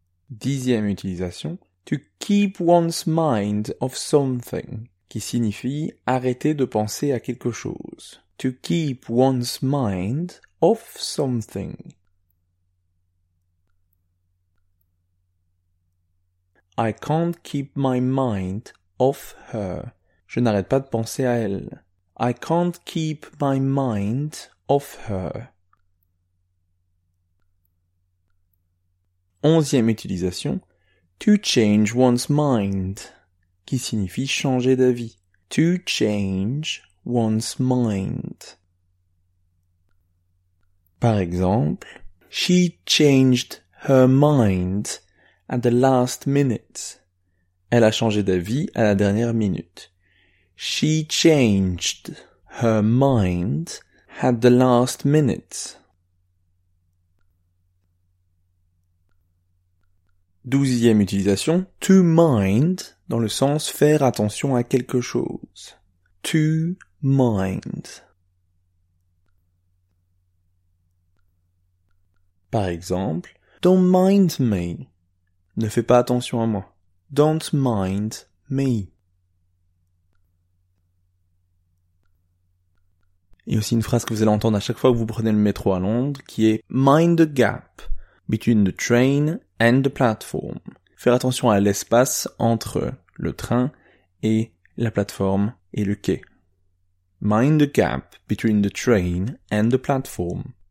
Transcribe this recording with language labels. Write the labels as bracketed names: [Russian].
[French] Dixième utilisation, [English] to keep one's mind off something, [French] qui signifie arrêter de penser à quelque chose. [English] To keep one's mind off something. I can't keep my mind off her. [French] Je n'arrête pas de penser à elle. [English] I can't keep my mind off her. [French] Onzième utilisation, [English] to change one's mind, [French] qui signifie changer d'avis. [English] To change one's mind. [French] Par exemple, [English] she changed her mind at the last minute. [French] Elle a changé d'avis à la dernière minute. [English] She changed her mind at the last minute. [French] Douzième utilisation, [English] to mind, [French] dans le sens faire attention à quelque chose. [English] To mind. [French] Par exemple, [English] don't mind me. [French] Ne fais pas attention à moi. [English] Don't mind me. [French] Et aussi une phrase que vous allez entendre à chaque fois que vous prenez le métro à Londres, qui est « [English] Mind the gap between the train and the platform ». [French] Faire attention à l'espace entre le train et la plateforme et le quai. [English] Mind the gap between the train and the platform.